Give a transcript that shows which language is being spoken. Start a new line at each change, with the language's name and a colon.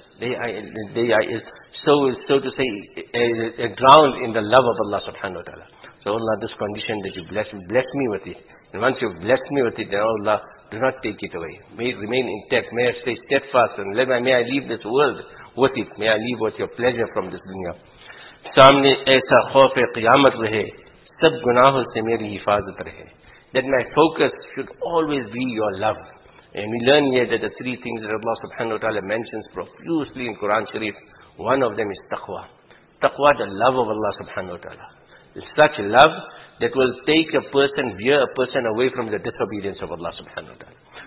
English: They are drowned in the love of Allah subhanahu wa ta'ala. So Allah, this condition that you bless me with it. And once you bless me with it, then Allah, do not take it away. May it remain intact. May I stay steadfast. And may I leave this world with it. May I leave with your pleasure from this dunya.
Urdu: سامنے ایسا خوف قیامت رہے، سب گناہوں سے میری حفاظت رہے.
English: That my focus should always be your love. And we learn here that the three things that Allah subhanahu wa ta'ala mentions profusely in Quran Sharif, one of them is taqwa. Taqwa, the love of Allah subhanahu wa ta'ala. Such love that will take a person, veer a person away from the disobedience of Allah subhanahu wa ta'ala.